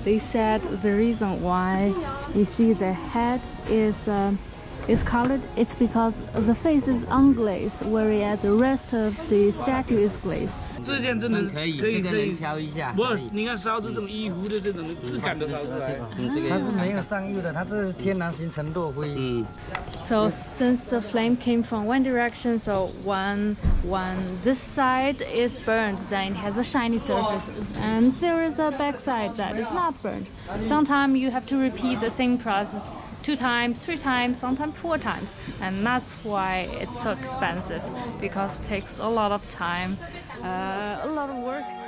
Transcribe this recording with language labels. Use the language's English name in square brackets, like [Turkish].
[English] They said the reason why you see the head is colored, it's because the face is unglazed, whereas the rest of the statue is glazed. [Chinese] 这件真的可以，这个能敲一下。不，你看烧这种衣服的这种质感都烧出来。它是没有上釉的，它是天然形成落灰。嗯。 [English] So since the flame came from one direction, so one this side is burnt, then it has a shiny surface, and there is a back side that is not burnt. Sometimes you have to repeat the same process. Two times, three times, sometimes four times, and that's why it's so expensive, because it takes a lot of time, a lot of work.